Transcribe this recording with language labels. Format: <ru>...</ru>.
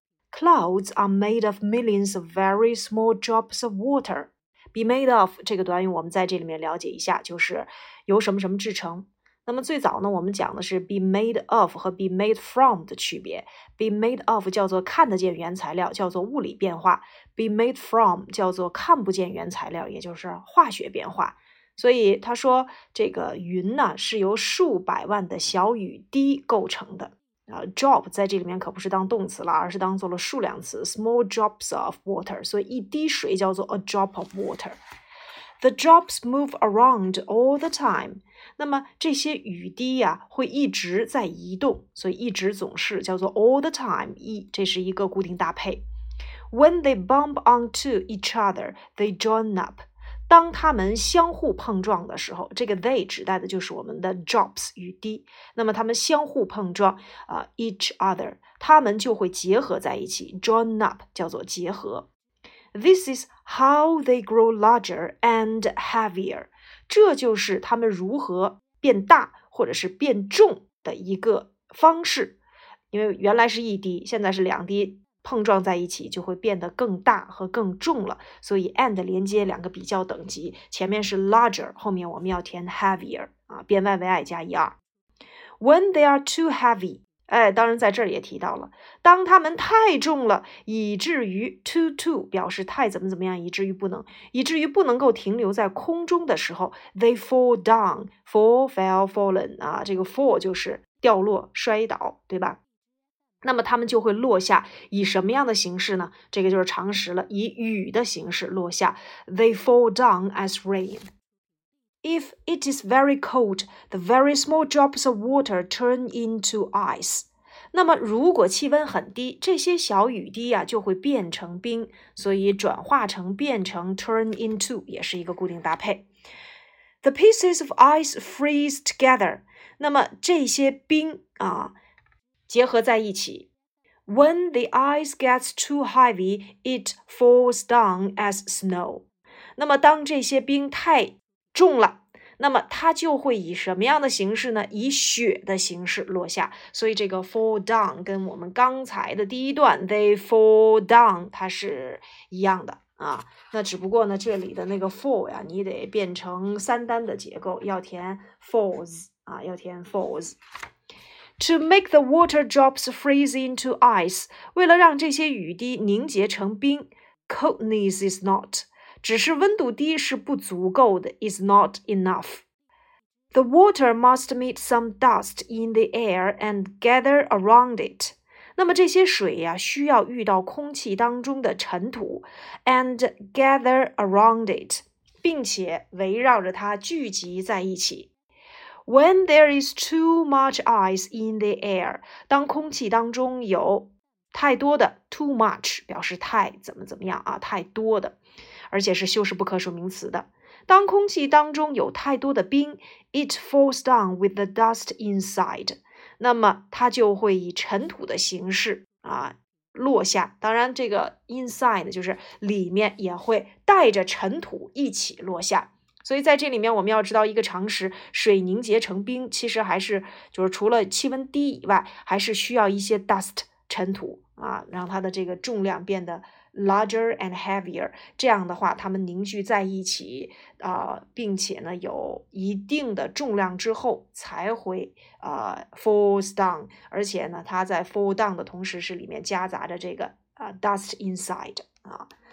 <en>Clouds are made of millions of very small drops of water.</en> <zh>Be made of 这个短语我们在这里面了解一下，就是由什么什么制成。那么最早呢，我们讲的是 be made of 和 be made from 的区别。 Be made of 叫做看得见原材料，叫做物理变化。 Be made from 叫做看不见原材料，也就是化学变化。所以他说这个云呢是由数百万的小雨滴构成的。 Drop 在这里面可不是当动词了，而是当做了数量词</zh> <en>small drops of water，</en> <zh>所以一滴水叫做</zh> <en>a drop of water。 The drops move around all the time，</en> <zh>那么这些雨滴啊会一直在移动，所以一直总是叫做 all the time， 这是一个固定搭配。</zh> <en>When they bump onto each other they join up，</en> <zh>当它们相互碰撞的时候，这个 they 指代的就是我们的 drops 雨滴。那么它们相互碰撞啊、each other， 它们就会结合在一起 ，</zh> <en>join up</en> <zh>叫做结合。</zh> <en>This is how they grow larger and heavier。</en> <zh>这就是它们如何变大或者是变重的一个方式。因为原来是一滴，现在是两滴。碰撞在一起就会变得更大和更重了，所以 and 连接两个比较等级，前面是 larger， 后面我们要填 heavier 啊，变 y 为 i 加 er。</zh> <en>When they are too heavy，</en> <zh>哎，当然在这儿也提到了，当它们太重了，以至于 too 表示太怎么怎么样，以至于不能够停留在空中的时候 ，</zh> <en>they fall down，</en> <zh>fallen 啊，这个 fall 就是掉落、摔倒，对吧？那么他们就会落下，以什么样的形式呢？这个就是常识了，以雨的形式落下。</zh> <en>They fall down as rain. If it is very cold, the very small drops of water turn into ice.</en> <zh>那么如果气温很低，这些小雨滴啊就会变成冰，所以转化成变成 turn into 也是一个固定搭配。</zh> <en>The pieces of ice freeze together.</en> <zh>那么这些冰啊结合在一起。</zh> <en>When the ice gets too heavy, it falls down as snow.</en> <zh>那么当这些冰太重了，那么它就会以什么样的形式呢？以雪的形式落下。所以这个 fall down 跟我们刚才的第一段</zh> <en>they fall down</en> <zh>它是一样的啊。那只不过呢，这里的那个 fall 呀，你得变成三单的结构，要填 falls 啊，要填 falls。</zh> <en>To make the water drops freeze into ice,</en> <zh>为了让这些雨滴凝结成冰</zh> <en>,coldness is not,</en> <zh>只是温度低是不足够的</zh> <en>,is not enough. The water must meet some dust in the air and gather around it.</en> <zh>那么这些水呀、需要遇到空气当中的尘土 ,</zh> <en>and gather around it,</en> <zh>并且围绕着它聚集在一起。</zh> <en>When there is too much ice in the air,</en> <zh>当空气当中有太多的 too much 表示太怎么怎么样啊，太多的，而且是修饰不可数名词的。当空气当中有太多的冰</zh> <en>，it falls down with the dust inside.</en> <zh>那么它就会以尘土的形式啊落下。当然，这个 inside 就是里面也会带着尘土一起落下。所以在这里面我们要知道一个常识，水凝结成冰其实还是就是除了气温低以外，还是需要一些 dust 尘土啊，让它的这个重量变得 larger and heavier， 这样的话它们凝聚在一起并且呢有一定的重量之后才会falls down， 而且呢它在 fall down 的同时是里面夹杂着这个dust inside 啊。</zh>